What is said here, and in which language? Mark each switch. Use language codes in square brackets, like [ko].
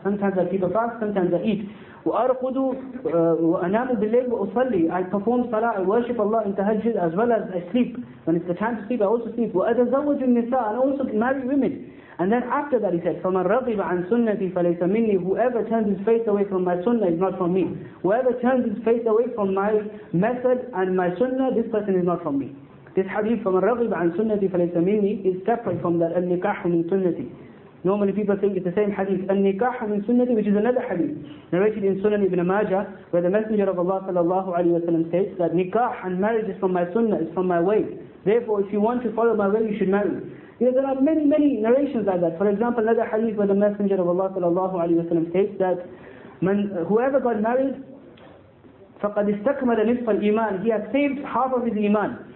[en] Sometimes I keep a fast, sometimes I eat. [ar] وَأَرْقُدُ وَأَنَامُ بِاللَّيْلِ وَأُصَلِّي, [en] I perform salah, I worship Allah in tahajjud as well as I sleep. When it's the time to sleep, I also sleep. [ar] وَأَتَزَوَّجُ النِّسَاءَ, [en] and I also marry women. And then after that he said, [ar] فَمَنْ رَغِبَ عَنْ سُنَّةِ فَلَيْسَ مِنِّي, [en] whoever turns his face away from my sunnah is not from me. Whoever turns his face away from my method and my sunnah, this person is not from me. This hadith, [ar] فَمَنْ رَغِبَ عَنْ سُنَّةِ فَلَيْسَ مِنِّي, [en] is separate from the [ar] النِّكَاحُ مِنْ سُنَّةِ. [en] Normally people think it's the same hadith, [ar] al-nikah min sunnati, [en] which is another hadith narrated in Sunan Ibn Majah, where the Messenger of Allah sallallahu alayhi wa sallam states that nikah and marriage is from my sunnah, is from my way. Therefore, if you want to follow my way, you should marry. You know, there are many, many narrations like that. For example, another hadith where the Messenger of Allah sallallahu alayhi wa sallam states that whoever got married, [ar] فَقَدْ اِسْتَكْمَلَ نِصْفَ الْإِيمَانِ, [en] he has saved half of his iman.